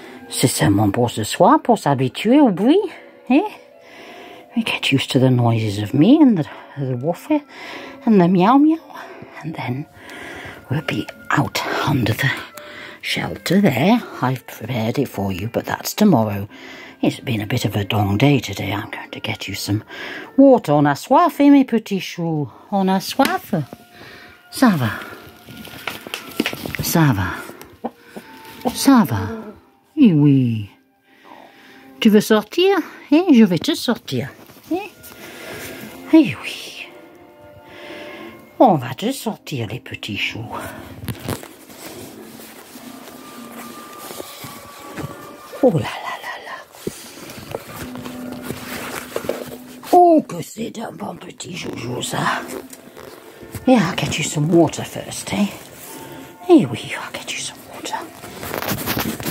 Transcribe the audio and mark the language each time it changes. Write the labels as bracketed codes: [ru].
[fr] C'est seulement pour ce soir, pour s'habituer au bruit, hein? [en] Get used to the noises of me and the woofer and the meow meow. And then we'll be out under the shelter there. I've prepared it for you, but that's tomorrow. It's been a bit of a long day today. I'm going to get you some water. [fr] On a soif, eh, mes petits choux? On a soif? Ça va. Ça va. Ça va. Oui, oui. Tu veux sortir? Eh, je vais te sortir. Eh? Eh oui. On va te sortir, les petits choux. Oh là là là là. Oh, que c'est d'un bon petit joujou, ça. [en] Yeah, I'll get you some water first, eh? [fr] Eh oui, [en] I'll get you some water.